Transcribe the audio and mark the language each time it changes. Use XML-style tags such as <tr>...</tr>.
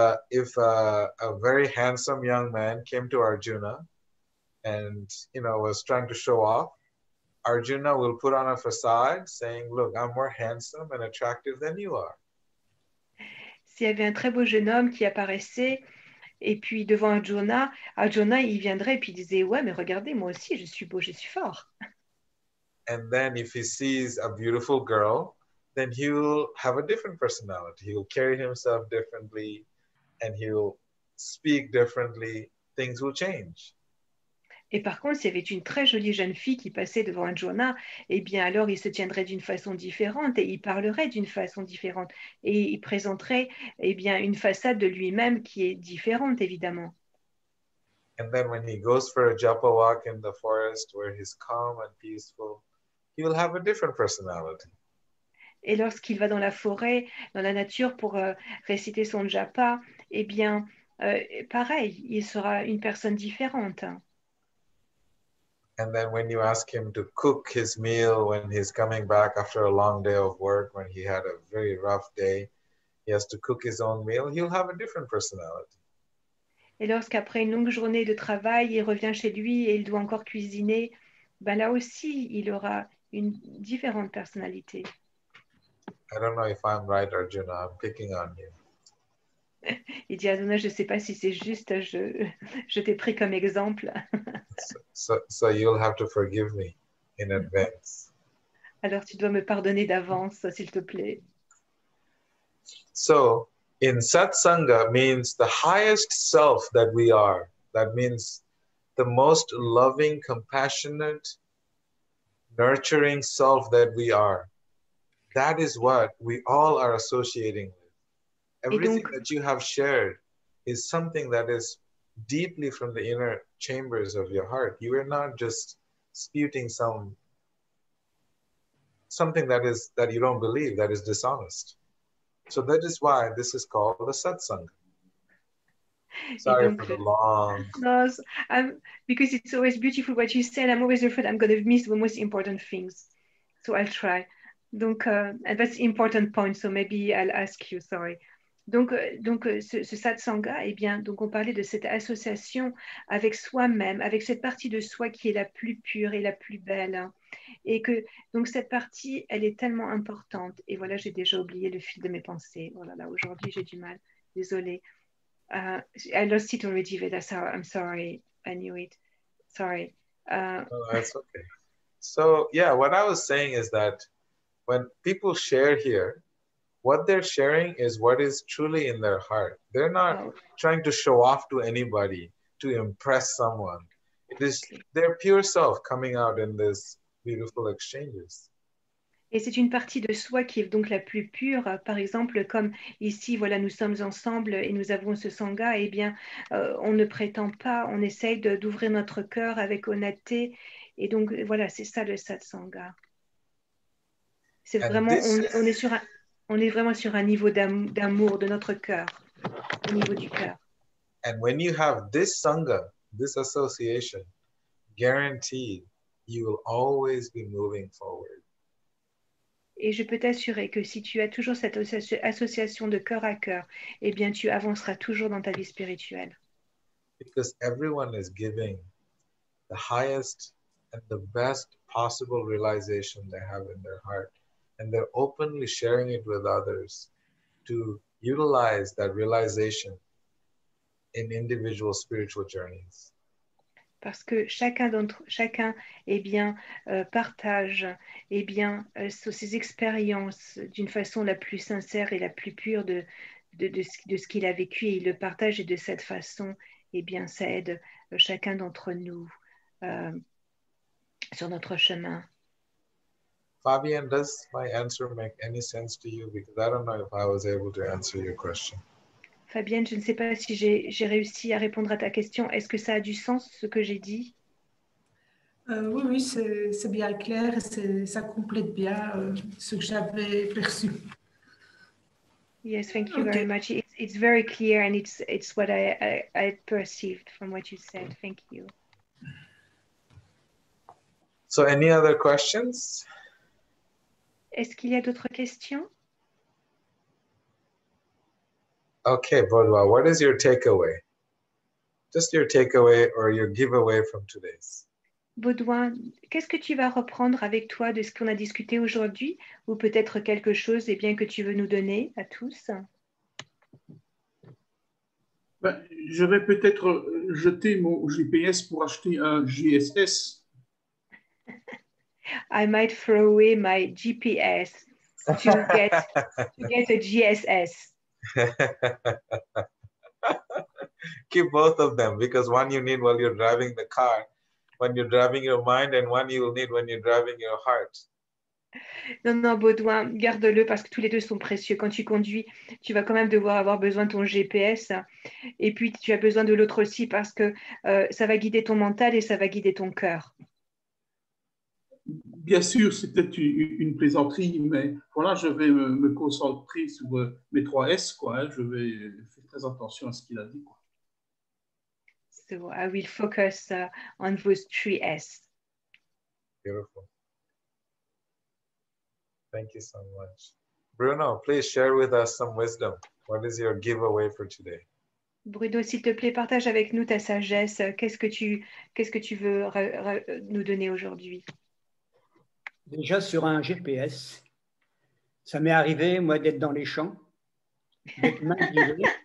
<en>If a very handsome young man came to Arjuna and, you know, was trying to show off, Arjuna will put on a facade saying, look, I'm more handsome and attractive than you are.</en> <fr>S'il y avait un très beau jeune homme qui apparaissait et puis devant Arjuna, Arjuna il viendrait et puis il disait, ouais, mais regardez, moi aussi je suis beau, je suis fort.</fr> <en>And then if he sees a beautiful girl, then he will have a different personality. He will carry himself differently and he will speak differently. Things will change.</en> <fr>Et par contre, s'il y avait une très jolie jeune fille qui passait devant Arjuna, eh bien alors il se tiendrait d'une façon différente et il parlerait d'une façon différente et il présenterait, eh bien, une façade de lui-même qui est différente, évidemment.</fr> <en>And then when he goes for a japa walk in the forest where he's calm and peaceful, he will have a different personality.</en> <fr>Et lorsqu'il va dans la forêt, dans la nature pour réciter son japa, eh bien, pareil, il sera une personne différente.</fr> <en>And then when you ask him to cook his meal when he's coming back after a long day of work, when he had a very rough day, he has to cook his own meal, he'll have a different personality.</en> <fr>Et lorsqu'après une longue journée de travail, il revient chez lui et il doit encore cuisiner, ben là aussi, il aura une différente personnalité.</fr> <en>I don't know if I'm right, Arjuna. I'm picking on you.</en> <fr>Il dit, Arjuna, je ne sais pas si c'est juste, je t'ai pris comme exemple.</fr> <en>So you'll have to forgive me in advance.</en> <fr>Alors tu dois me pardonner d'avance, s'il te plaît.</fr> <en>So, in satsanga means the highest self that we are. That means the most loving, compassionate, nurturing self that we are. That is what we all are associating with. Everything</en> <fr>donc,</fr> <en>that you have shared is something that is deeply from the inner chambers of your heart. You are not just spewing something that you don't believe, that is dishonest. So that is why this is called the satsanga. Sorry</en> <fr>donc,</fr> <en>for the long... No, because it's always beautiful what you say, and I'm always afraid I'm going to miss the most important things. So I'll try.</en> <fr>Donc,</fr> <en>that's important point, so maybe I'll ask you, sorry.</en> <fr>Donc ce satsanga, eh bien, donc on parlait de cette association avec soi-même, avec cette partie de soi qui est la plus pure et la plus belle. Et que, donc, cette partie, elle est tellement importante. Et voilà, j'ai déjà oublié le fil de mes pensées. Voilà, là, aujourd'hui, j'ai du mal. Désolée.</fr> <en>I lost it already, Veda. So I'm sorry. I knew it. Sorry. That's okay. So, yeah, what I was saying is that when people share here, what they're sharing is what is truly in their heart. They're not trying to show off to anybody, to impress someone. It is their pure self coming out in these beautiful exchanges.</en> <fr>Et c'est une partie de soi qui est donc la plus pure. Par exemple, comme ici, voilà, nous sommes ensemble et nous avons ce sangha, eh bien, on ne prétend pas, on essaye d'ouvrir notre cœur avec honnêteté. Et donc, voilà, c'est ça le satsanga. C'est vraiment, on est vraiment sur un niveau d'amour de notre cœur, au niveau du cœur.</fr> <en>And when you have this sangha, this association, guaranteed, you will always be moving forward.</en> <fr>Et je peux t'assurer que si tu as toujours cette association de cœur à cœur, eh bien, tu avanceras toujours dans ta vie spirituelle.</fr> <en>Because everyone is giving the highest and the best possible realization they have in their heart. And they're openly sharing it with others to utilize that realization in individual spiritual journeys.</en> <fr>Parce que chacun eh bien, partage eh bien, ses expériences d'une façon la plus sincère et la plus pure de ce qu'il a vécu. Et il le partage et de cette façon, eh bien, ça aide chacun d'entre nous sur notre chemin.</fr> <en>Fabienne, does my answer make any sense to you? Because I don't know if I was able to answer your question.</en> <fr>Fabienne, je ne sais pas si j'ai réussi à répondre à ta question. Est-ce que ça a du sens, ce que j'ai dit? Oui, c'est bien clair. Ça complète bien ce que j'avais perçu.</fr> <en>Yes, thank you very much. It's very clear and it's what I perceived from what you said. Thank you. So, any other questions?</en> <fr>Est-ce qu'il y a d'autres questions?</fr> <en>Okay, Vaudois, what is your takeaway? Just your takeaway or your giveaway from today's.</en> <fr>Vaudois, qu'est-ce que tu vas reprendre avec toi de ce qu'on a discuté aujourd'hui ou peut-être quelque chose eh bien, que tu veux nous donner à tous? Ben, je vais peut-être jeter mon GPS pour acheter un GSS.</fr> <en>I might throw away my GPS to get a GSS. Keep both of them because one you need while you're driving the car, when you're driving your mind, and one you will need when you're driving your heart.</en> <fr>Non, Baudouin, garde-le parce que tous les deux sont précieux. Quand tu conduis, tu vas quand même devoir avoir besoin de ton GPS, et puis tu as besoin de l'autre aussi parce que ça va guider ton mental et ça va guider ton cœur. Bien sûr, c'est peut-être une plaisanterie, mais voilà, je vais me concentrer sur mes 3S, quoi. Hein. Je vais faire très attention à ce qu'il a dit, quoi.</fr> <en>So I will focus on those 3S. Beautiful. Thank you so much, Bruno. Please share with us some wisdom. What is your giveaway for today?</en> <fr>Bruno, s'il te plaît, partage avec nous ta sagesse. Qu'est-ce que tu veux nous donner aujourd'hui? Déjà sur un GPS, ça m'est arrivé, moi, d'être dans les champs, d'être mal guidé.</fr>